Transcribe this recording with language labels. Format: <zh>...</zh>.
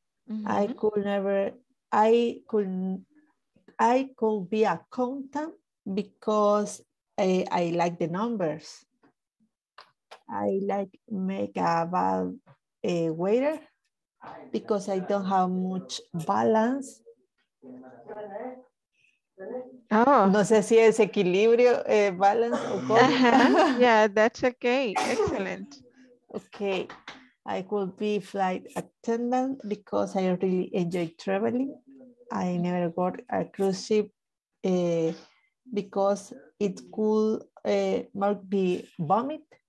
<en>Mm-hmm. I could be a accountant because I like the numbers. I like make a bad waiter because I don't have much balance. Oh,</en> <es>no sé si es equilibrio, balance o cómo.</es> <en>Uh-huh. Yeah, that's okay. Excellent. Okay. I could be flight attendant because I really enjoy traveling. I never got a cruise ship because it could make me vomit.</en>